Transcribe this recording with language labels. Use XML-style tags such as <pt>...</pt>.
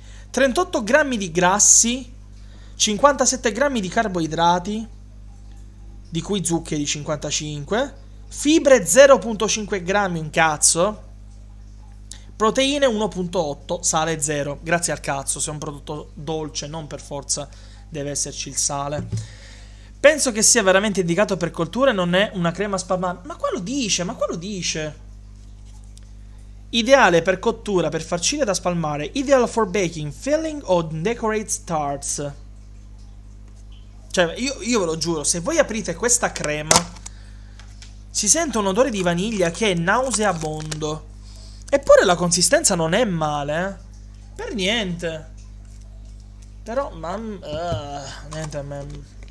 <it>38 grammi di grassi, 57 grammi di carboidrati, di cui zuccheri 55, fibre 0,5 grammi, un cazzo, proteine 1,8, sale 0, grazie al cazzo, se è un prodotto dolce non per forza deve esserci il sale. Penso che sia veramente indicato per cottura e non è una crema spalmata. Ma qua lo dice, ma qua lo dice. Ideale per cottura, per farcire da spalmare.</it> <en>Ideal for baking, filling or decorate tarts.</en> <it>Cioè, io ve lo giuro, se voi aprite questa crema, si sente un odore di vaniglia che è nauseabondo. Eppure la consistenza non è male, eh. Per niente. Però, niente, man.</it>